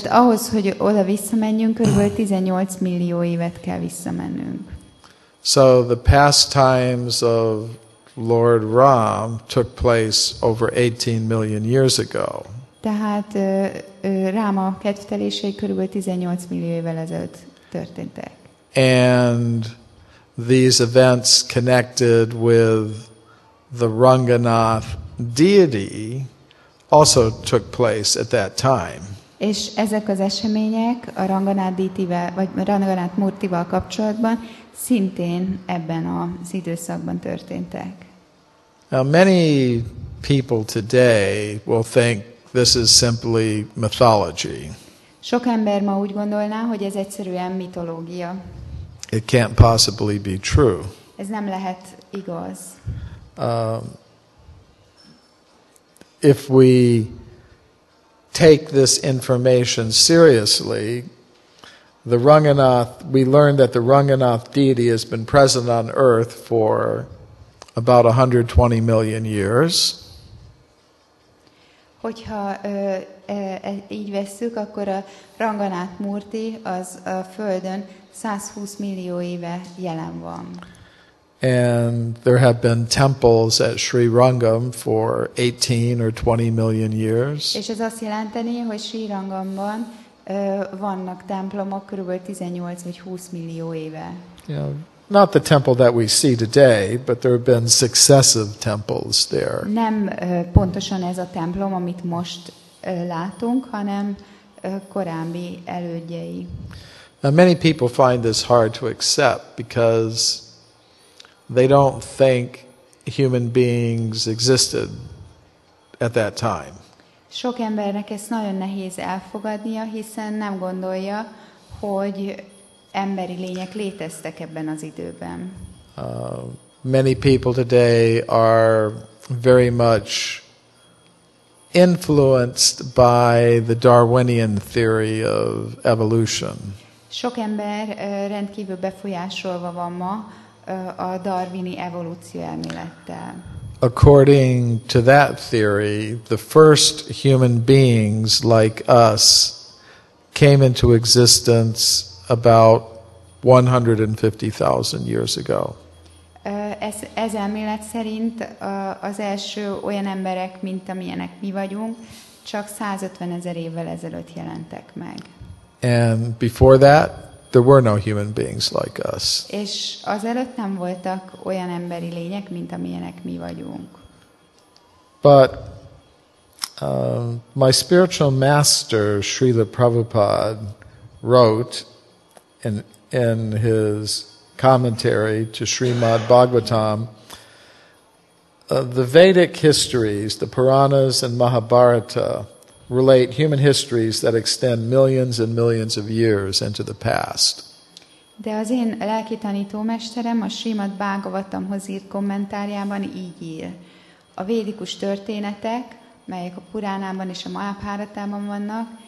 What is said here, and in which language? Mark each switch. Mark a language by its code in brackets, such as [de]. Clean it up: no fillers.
[hu] Tehát ahhoz, hogy oda visszamenjünk, körülbelül 18 millió évet kell visszamennünk. [en] So the pastimes of Lord Ram took place over 18 million years ago. [hu] Tehát Ráma kedvtelései körülbelül 18 millió évvel ezelőtt történtek. [en] And these events connected with the Ranganath deity also took place at that time. [hu] És ezek az események a Ranganath deityvel vagy Ranganath Murtival kapcsolatban szintén ebben az időszakban történtek. [en] Now many people today will think this is simply mythology. [hu] Sok ember ma úgy gondolná, hogy ez egyszerűen mitológia. [en] It can't possibly be true. [hu] Ez nem lehet igaz. [en] If we take this information seriously, the Ranganath, we learn that the Ranganath deity has been present on Earth for about 120 million years. [hu] Hogyha így vesszük, akkor a Ranganath Murti az a Földön 120 millió éve jelen van. [en] And there have been temples at Sri Rangam for 18 or 20 million years. [hu] És ez azt jelenteni, hogy Sri Rangamban vannak templomok körülbelül 18 vagy 20 millió éve. [en] Yeah. Not the temple that we see today, but there have been successive temples there. [hu] Nem pontosan ez a templom, amit most látunk, hanem korábbi elődjei. [en] Now many people find this hard to accept because they don't think human beings existed at that time. [hu] Sok embernek ez nagyon nehéz elfogadnia, hiszen nem gondolja, hogy emberi lények léteztek ebben az időben. [en] Many people today are very much influenced by the Darwinian theory of evolution. [hu] Sok ember rendkívül befolyásolva van ma a darwini evolúció elmélettel. [en] According to that theory, the first human beings like us came into existence about 150,000 years ago. [hu] Ez elmélet szerint az első olyan emberek, mint amilyenek mi vagyunk, csak 150 ezer évvel ezelőtt jelentek meg. [en] And before that, there were no human beings like us. [hu] És azelőtt nem voltak olyan emberi lények, mint amilyenek mi vagyunk. [en] But my spiritual master, Srila Prabhupada, wrote in his commentary to Srimad Bhagavatam, the Vedic histories, the Puranas and Mahabharata, relate human histories that extend millions and millions of years into the past. [hu] De az én lelki tanítómesterem a Srimad Bhagavatamhoz írt kommentárjában így ír. A védikus történetek, melyek a Puránában és a Mahabharatában vannak,